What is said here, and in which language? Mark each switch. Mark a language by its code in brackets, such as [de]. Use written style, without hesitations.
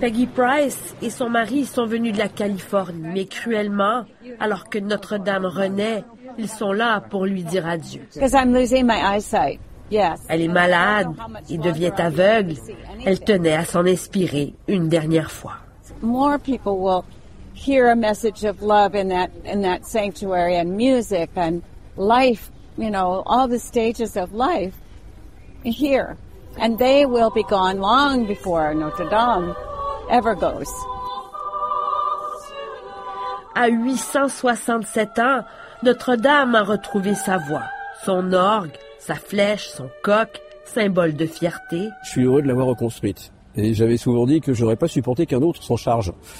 [fr] Peggy Price et son mari sont venus de la Californie, mais cruellement, alors que Notre-Dame renaît, ils sont là pour lui dire adieu. [en] Because I'm losing my eyesight. Yes. [fr] Elle est malade et devient aveugle. Elle tenait à s'en inspirer une dernière fois. [en] More people will hear a message of love in that sanctuary and music and life, you know, all the stages of life here. And they will be gone long before Notre Dame ever goes. [fr] À 867 ans, Notre-Dame a retrouvé sa voix, son orgue, sa flèche, son coq, symbole de fierté. Je suis heureux de l'avoir reconstruite. Et j'avais souvent dit que j'aurais pas supporté qu'un autre s'en charge.